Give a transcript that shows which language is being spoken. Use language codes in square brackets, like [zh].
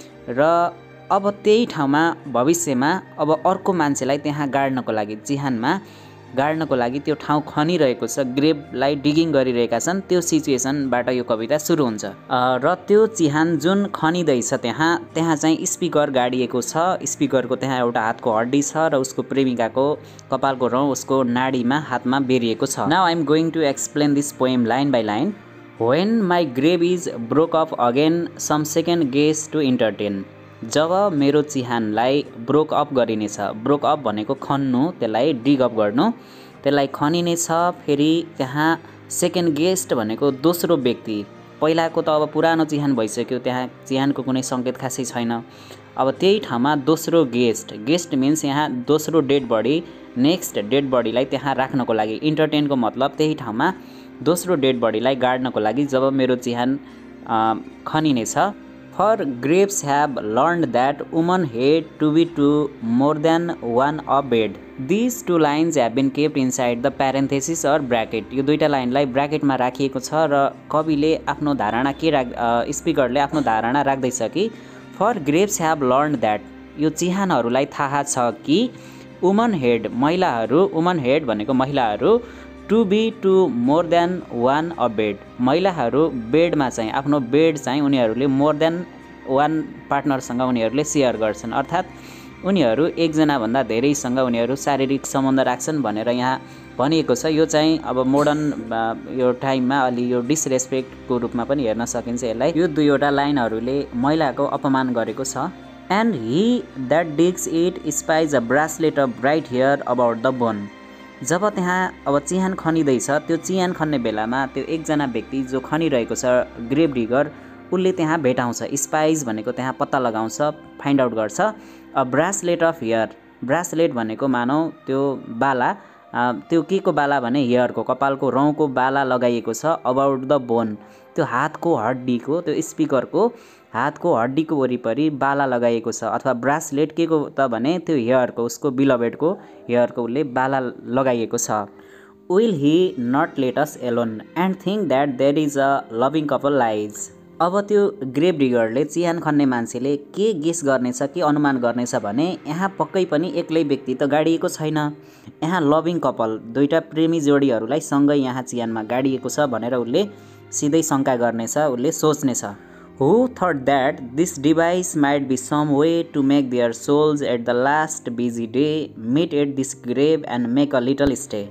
[ne] र अब त्यही ठाउँमा भविष्यमा अब अर्को मान्छेलाई त्यहाँ गाड्नको लागि, चिहानमा गाड्नको लागि त्यो ठाउँ खनिरहेको छ, ग्रेभलाई डिगिङ गरिरहेका छन्। त्यो सिचुएसनबाट यो कविता सुरु हुन्छ। र त्यो चिहान जुन खनिँदैछ त्यहाँ चाहिँ स्पिकर गाडिएको छ, स्पिकरको त्यहाँ एउटा हातको हड्डी छ र उसको प्रेमिकाको कपालको रौँ उसको नाडीमा हातमा बेरिएको छ। [en] Now I am going to explain this poem line by line. When my grave is broke up again some second guest to entertain. [ne] जब मेरो चिहानलाई ब्रोक अप गरिनेछ, ब्रोक अप भनेको खन्नु, त्यसलाई डिग अप गर्नु, त्यसलाई खनिनेछ फेरि त्यहाँ सेकेन्ड गेस्ट भनेको दोस्रो व्यक्ति, पहिलाको त अब पुरानो चिहान भइसक्यो, त्यहाँ चिहानको कुनै सङ्केत खासै छैन, अब त्यही ठाउँमा दोस्रो गेस्ट, गेस्ट मिन्स यहाँ दोस्रो डेड बडी, नेक्स्ट डेड बडीलाई त्यहाँ राख्नको लागि, इन्टरटेनको मतलब त्यही ठाउँमा दोस्रो डेड बडीलाई गाड्नको लागि जब मेरो चिहान खनिनेछ। [en] For graves have learned that woman hate to be two more than one a bed. These two lines have been kept inside the parenthesis or bracket. [ne] यो दुईवटा लाइनलाई ब्राकेटमा राखिएको छ र कविले आफ्नो धारणा के राख, स्पिकरले आफ्नो धारणा राख्दैछ कि [en] for graves have learn that, [ne] यो चिहानहरूलाई थाहा छ कि वुमन हेड, महिलाहरू, वुमन हेड भनेको महिलाहरू, [en] to be to more than one a bed, [ne] महिलाहरू बेडमा चाहिँ आफ्नो बेड चाहिँ उनीहरूले मोर देन वान पार्टनरसँग उनीहरूले सेयर गर्छन्, अर्थात् उनीहरू एकजनाभन्दा धेरैसँग उनीहरू शारीरिक सम्बन्ध राख्छन् भनेर यहाँ भनिएको छ। यो चाहिँ अब मोडर्न यो टाइममा अलि यो डिसरेस्पेक्टको रूपमा पनि हेर्न सकिन्छ यसलाई। यो दुईवटा लाइनहरूले महिलाको अपमान गरेको छ। [en] And he that digs it spies a bracelet of bright hair about the bone. [ne] जब त्यहाँ अब चिहान खनिँदैछ, त्यो चिहान खन्ने बेलामा त्यो एकजना व्यक्ति जो खनिरहेको छ ग्रेभ डिगर, उसले त्यहाँ भेटाउँछ, स्पाइज भनेको त्यहाँ पत्ता लगाउँछ, फाइन्ड आउट गर्छ, [en] a bracelet of hair, [ne] bracelet भनेको मानौ त्यो बाला, त्यो के को बाला भने हेयरको, कपालको रौँको बाला लगाइएको छ [en] about the bone, [ne] त्यो हातको हड्डीको, त्यो स्पिकरको हातको हड्डीको वरिपरि बाला लगाइएको छ, अथवा ब्रासलेट के को त भने त्यो हेयरको, उसको बिलबेडको हेयरको उसले बाला लगाइएको छ। [en] Will he not let us alone and think that there is a loving couple lies. [ne] अब त्यो ग्रेभ डिगरले, चिहान खन्ने मान्छेले के गेस गर्नेछ, के अनुमान गर्नेछ भने यहाँ पक्कै पनि एक्लै व्यक्ति त गाडिएको छैन, यहाँ लभिङ कपल, दुईवटा प्रेमी जोडीहरूलाई सँगै यहाँ चिहानमा गाडिएको छ भनेर उसले सिधै शङ्का गर्नेछ, उसले सोच्नेछ। [en] Who thought that this device might be some way to make their souls at the last busy day meet at this grave and make a little stay?